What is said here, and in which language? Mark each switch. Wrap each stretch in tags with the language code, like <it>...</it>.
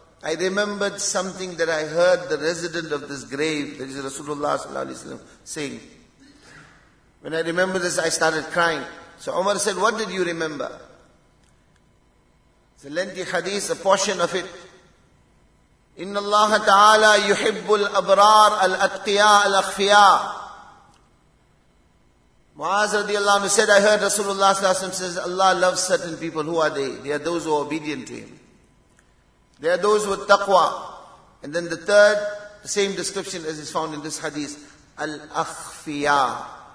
<en>I remembered something that I heard the resident of this grave, that is Rasulullah sallallahu alayhi wa sallam, saying. When I remember this, I started crying. So Umar said, what did you remember? It's a lengthy hadith, a portion of it.</en> <ar>إن الله تعالى يحب الأبرار الأتقياء الأخفياء.</ar> <en>Mu'az radiallahu anhu said, I heard Rasulullah sallallahu alayhi wa sallam says, Allah loves certain people. Who are they? They are those who are obedient to him. There are those with taqwa. And then the third, the same description as is found in this hadith, al-akhfiya.</en>